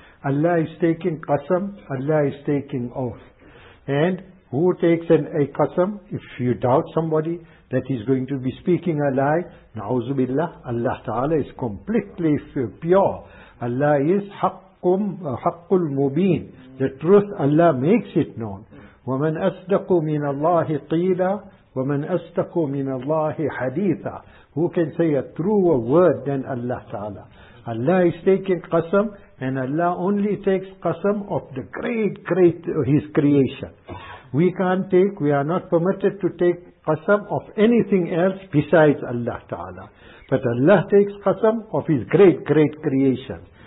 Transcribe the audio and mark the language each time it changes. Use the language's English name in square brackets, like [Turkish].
[English] Allah is taking qasam, Allah is taking oath. And who takes a qasam? If you doubt somebody that he's going to be speaking a lie, na'uzu billah, Allah ta'ala is completely pure. Allah is haq. [Arabic] قُمْ حَقُّ الْمُبِينَ, [English] the truth Allah makes it known. [Arabic] وَمَنْ أَصْدَقُ مِنَ اللَّهِ قِيلًا وَمَنْ أَصْدَقُ مِنَ اللَّهِ حَدِيثًا, [English] who can say a truer word than Allah Ta'ala? Allah is taking qasam, and Allah only takes qasam of the great, great His creation. We can't take, we are not permitted to take qasam of anything else besides Allah Ta'ala. But Allah takes qasam of His great, great creation.